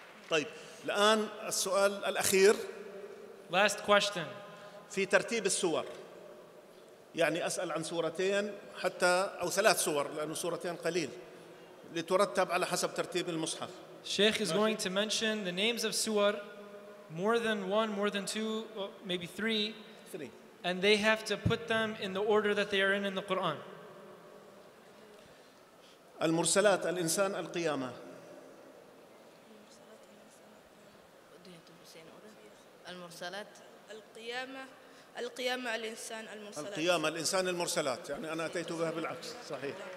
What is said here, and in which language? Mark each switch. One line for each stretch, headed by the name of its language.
Arabic: طيب الآن السؤال الأخير
English: last question
Arabic: في ترتيب السور يعني أسأل عن سورتين حتى أو ثلاث سور لأنه سورتين قليل لترتب على حسب ترتيب المصحف.
English: Sheikh is going to mention the names of suwar, more than one, more than two, maybe three. And they have to put them in the order that they are in the Quran.
Arabic: المرسلات الإنسان القيامة. المرسلات القيامة القيامة الإنسان المرسلات. القيامة الإنسان المرسلات يعني أنا أتيت بها بالعكس صحيح.